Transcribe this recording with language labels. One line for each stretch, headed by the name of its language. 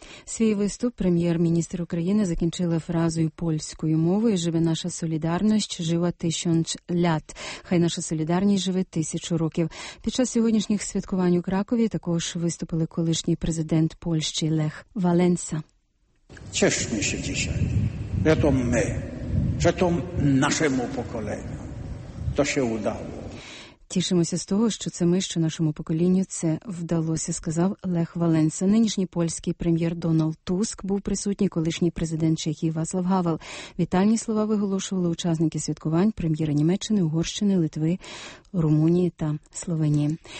Ukrainian: Свій виступ прем'єр-міністр України закінчила фразою польською мовою
Polish: «Живе наша солідарність, жива тисяч лят».
Ukrainian: Хай наша солідарність живе тисячу років. Під час сьогоднішніх святкувань у Кракові також виступили колишній президент Польщі Лех Валенса.
Polish: Cieszmy się dzisiaj, że to my, że to naszemu pokoleniu to się udało.
Ukrainian: Тішимося з того, що це ми, що нашому поколінню це вдалося, сказав Лех Валенса. Нинішній польський прем'єр Дональд Туск був присутній, колишній президент Чехії Вацлав Гавел. Вітальні слова виголошували учасники святкувань, прем'єри Німеччини, Угорщини, Литви, Румунії та Словенії.